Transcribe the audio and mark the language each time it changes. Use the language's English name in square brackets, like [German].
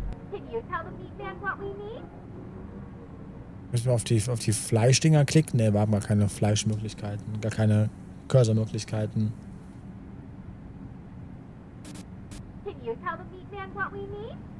[English] Can you tell the Meat Man what we need? [German] Müssen wir auf die Fleischdinger klicken? Ne, wir haben gar keine Fleischmöglichkeiten, gar keine Cursor-Möglichkeiten. [English] Can you tell the Meat Man what we need?